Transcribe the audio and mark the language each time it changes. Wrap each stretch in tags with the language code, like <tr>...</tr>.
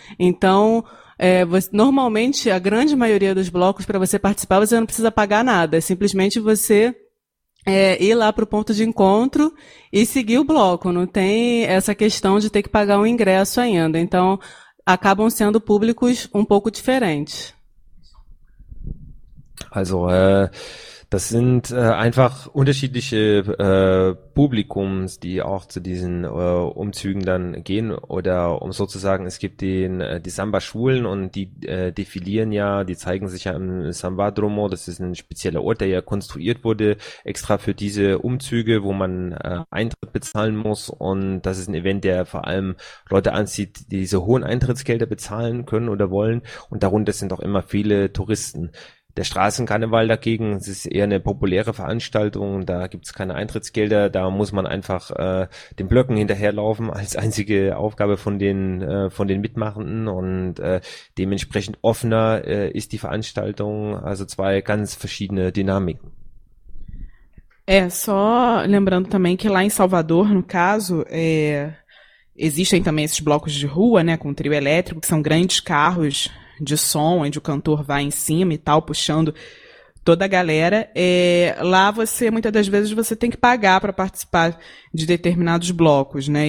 <pt>Então, normalmente, a grande maioria dos blocos, para você participar, você não precisa pagar nada. É simplesmente você ir lá para o ponto de encontro e seguir o bloco. Não tem essa questão de ter que pagar um ingresso ainda. Então, acabam sendo públicos um pouco diferentes.</pt> <de>Also, Das sind einfach unterschiedliche Publikums, die auch zu diesen Umzügen dann gehen. Oder um sozusagen, es gibt die Samba-Schulen und die defilieren ja, die zeigen sich ja im Sambadromo. Das ist ein spezieller Ort, der ja konstruiert wurde, extra für diese Umzüge, wo man Eintritt bezahlen muss. Und das ist ein Event, der vor allem Leute anzieht, die diese hohen Eintrittsgelder bezahlen können oder wollen. Und darunter sind auch immer viele Touristen. Der Straßenkarneval dagegen, es ist eher eine populäre Veranstaltung, da gibt es keine Eintrittsgelder, da muss man einfach den Blöcken hinterherlaufen als einzige Aufgabe von den Mitmachenden und dementsprechend offener ist die Veranstaltung, also zwei ganz verschiedene Dynamiken.</de> <pt>É, só lembrando também que lá em Salvador, no caso, existem também esses blocos de rua, né, com trio elétrico, que são grandes carros de som, onde o cantor vai em cima e tal, puxando toda a galera. Lá você, muitas das vezes, você tem que pagar para participar de determinados blocos, né?</pt>